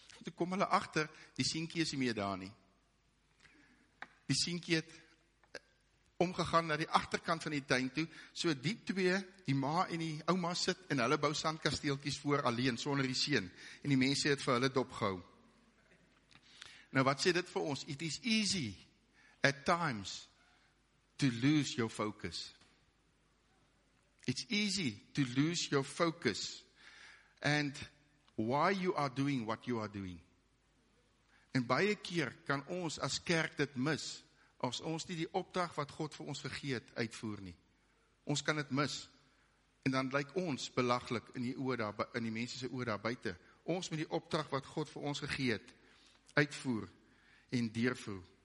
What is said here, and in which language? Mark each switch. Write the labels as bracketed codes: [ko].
[af] Toe kom hulle achter, die seentjie is nie meer daar nie. Die seentjie het omgegaan na die agterkant van die tuin toe, so die twee, die ma en die ouma sit, en hulle bou sandkasteeltjies voor alleen, sonder die seun, en die mense het vir hulle dopgehou. Nou wat sê dit vir ons? [en] It is easy, at times, to lose your focus. It's easy to lose your focus, and why you are doing what you are doing. [af] En baie keer kan ons as kerk dit mis, as ons nie die opdrag wat God vir ons gegee het uitvoer nie. Ons kan dit mis. En dan lyk ons belaglik in die oë daar, in die mense se oë daar buite. Ons moet die opdrag wat God vir ons gegee het uitvoer en deurvoer.